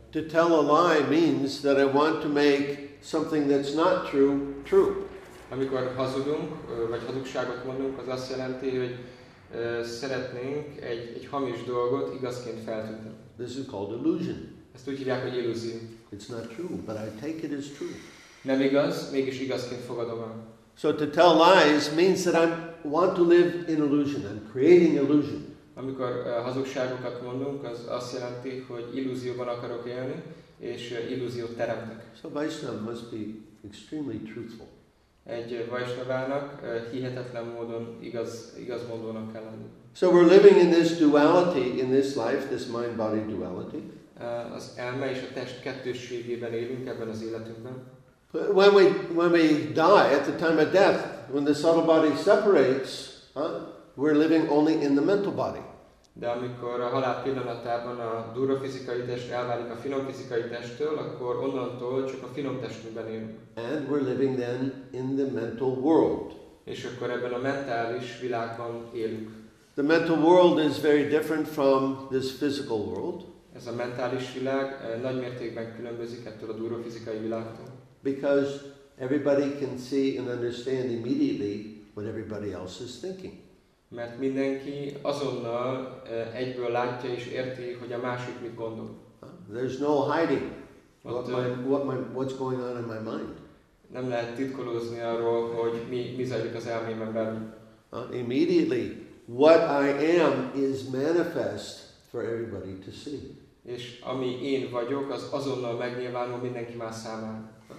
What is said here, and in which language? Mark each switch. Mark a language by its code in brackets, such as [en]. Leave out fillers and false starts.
[en] To tell a lie means that I want to make something that's not true, true. [hu] Amikor hazudunk, vagy hazugságot mondunk, az azt jelenti, hogy szeretnénk egy hamis dolgot igazként feltűnteni. [en] This is called illusion. [hu] Ezt úgy hívják, hogy illúzió. [en] It's not true, but I take it as true. [hu] Nem igaz, mégis igazként fogadom el. [en] So to tell lies means that I want to live in illusion. I'm creating illusion. [hu] Amikor hazugságokat mondunk, az azt jelenti, hogy illúzióban akarok élni, és illúziót teremtek. [en] So Vaishnava must be extremely truthful. [hu] Egy Vaishnavának hihetetlen módon igazmondónak kell lenni. [en] So we're living in this duality in this life, this mind-body duality. [hu] Az elme és a test kettősségében élünk ebben az életünkben. [en] When we die at the time of death, when the subtle body separates, we're living only in the mental body. [hu] De amikor a halál pillanatában a durva fizikai test elválik a finom fizikai testtől, akkor onnantól csak a finom testünkben élünk. [en] And we're living then in the mental world. [hu] És akkor ebben a mentális világban élünk. [en] The mental world is very different from this physical world. [hu] Ez a mentális világ nagy mértékben különbözik ettől a durva fizikai világtól. [en] Because everybody can see and understand immediately what everybody else is thinking. [hu] Mert mindenki azonnal egyből látja és érti, hogy a másik mit gondol. [en] There's no hiding what's going on in my mind. [hu] Nem lehet titkolózni arról, hogy mi zajlik az elmémben belül. [en] Immediately, what I am is manifest for everybody to see. [hu] És ami én vagyok, az azonnal megnyilvánul mindenki más számára.